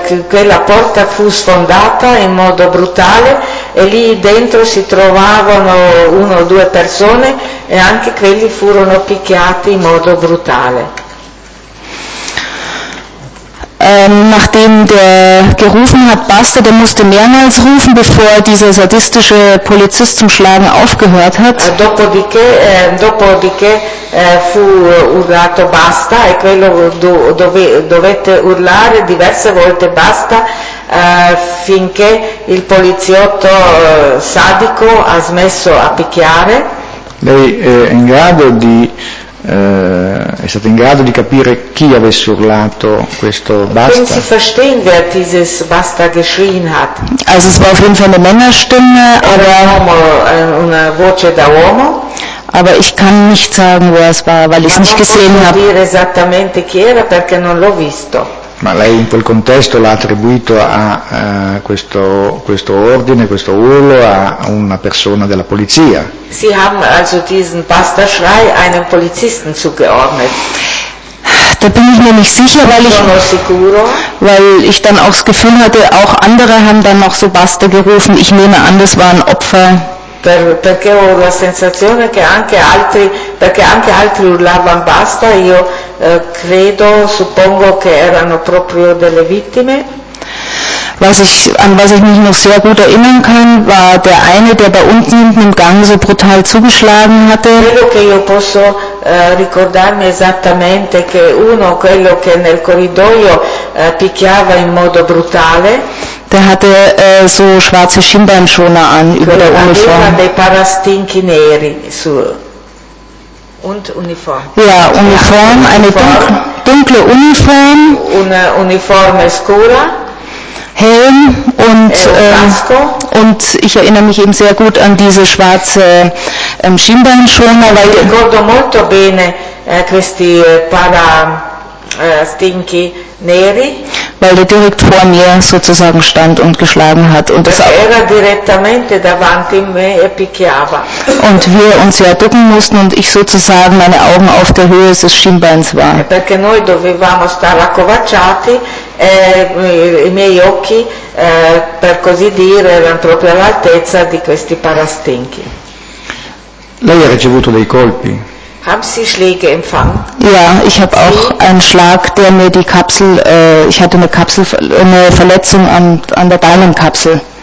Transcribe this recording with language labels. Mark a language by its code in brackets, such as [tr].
[it] Quella porta fu sfondata in modo brutale e lì dentro si trovavano uno o due persone e anche quelli furono picchiati in modo brutale. [de] Nachdem der gerufen hat, Basta, der musste mehrmals rufen, bevor dieser sadistische Polizist zum Schlagen aufgehört hat. [it] Dopodiché fu urlato Basta e quello dovette urlare diverse volte Basta finché il poliziotto sadico ha smesso a picchiare. Lei è in grado di è stato in grado di capire chi avesse urlato questo Basta? [de] Können Sie verstehen, wer dieses Basta geschrien hat? Also es war auf jeden Fall eine Männerstimme, [it] una voce da uomo. [de] Aber ich kann nicht sagen, wer es war, weil ich es nicht gesehen habe. [it] Non posso dire esattamente chi era perché non l'ho visto. Ma lei in quel contesto l'ha attribuito a questo ordine, questo urlo, a una persona della polizia. [de] Sie haben also diesen Bastaschrei einem Polizisten zugeordnet. Da bin ich mir nicht sicher, weil ich dann auch das Gefühl hatte, auch andere haben dann noch so Basta gerufen. Ich nehme an, das waren Opfer. [it] Perché ho la sensazione che anche altri, perché anche altri urlavano Basta, io credo, suppongo che erano proprio delle vittime. [de] Was ich mich noch sehr gut erinnern kann, war der eine, der da unten im Gang so brutal zugeschlagen hatte. [it] Quello che io posso ricordarmi esattamente che uno, quello che nel corridoio picchiava in modo brutale. [de] Der hatte so schwarze Schienbeinschoner an über der Uniform. [it] Aveva dei parastinchi neri su [de] und Uniform. Ja, Uniform, ja, eine dunkle Uniform. [it] Una uniforme scura. [de] Helm und [it] Casco. [de] Und ich erinnere mich eben sehr gut an diese schwarze Schienbeinschoner, weil [it] ich ricordo molto bene questi para stinky neri, [de] weil der direkt vor mir sozusagen stand und geschlagen hat und das [it] era direttamente davanti me e picchiava. [de] Und wir uns ja ducken mussten und ich sozusagen meine Augen auf der Höhe des Schienbeins war. [it] Perché noi dovevamo stare accovacciati e i miei occhi per così dire erano proprio all'altezza di questi parastinchi. Lei ha ricevuto dei colpi? [de] Haben Sie Schläge empfangen? Ja, ich habe auch einen Schlag, der mir die Kapsel, ich hatte eine Verletzung an der Damenkapsel.